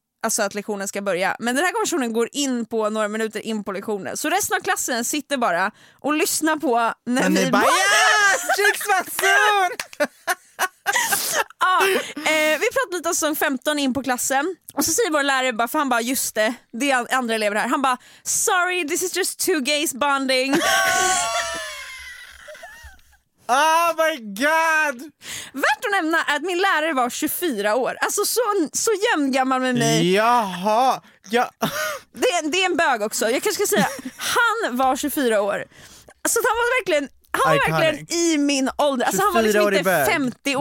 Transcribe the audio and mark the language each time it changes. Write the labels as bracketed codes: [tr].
[sv] alltså att lektionen ska börja. Men den här konversationen går in på några minuter in på lektionen. Så resten av klassen sitter bara och lyssnar på när men vi bara, [en] yes! [sv] Jinx Monsoon! Ja, vi pratar lite om sång 15 in på klassen. Och så säger vår lärare bara, för han bara, just det, det är andra elever här. Han bara, [en] sorry, this is just two gays bonding. Oh my god! [sv] Värt att nämna är att min lärare var 24 år. Alltså så jämn gammal med mig. Jaha! Ja. Det är en bög också. Jag kanske ska säga, han var 24 år. Så han var verkligen... Han var verkligen i min ålder. Alltså han var liksom inte 50 år,